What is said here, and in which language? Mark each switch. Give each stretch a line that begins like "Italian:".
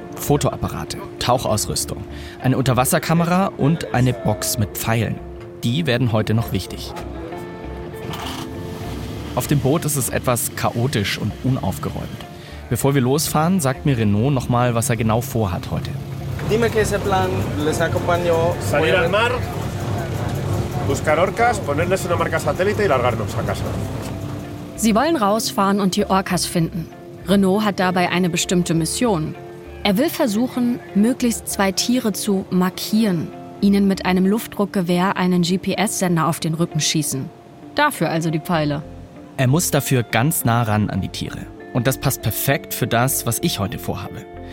German: Fotoapparate, Tauchausrüstung, eine Unterwasserkamera und eine Box mit Pfeilen. Die werden heute noch wichtig. Auf dem Boot ist es etwas chaotisch und unaufgeräumt. Bevor wir losfahren, sagt mir Renaud nochmal, was er genau vorhat heute.
Spanish: Dime que ese plan les acompañó. Salir al mar, buscar orcas, ponerles una marca satélite y largarnos a casa.
German: Sie wollen rausfahren und die Orcas finden. Renaud hat dabei eine bestimmte Mission. Er will versuchen, möglichst zwei Tiere zu markieren, ihnen mit einem Luftdruckgewehr einen GPS-Sender auf den Rücken schießen. Dafür also die Pfeile. Er muss dafür ganz nah ran an die Tiere. Und das passt perfekt für das, was ich heute vorhabe.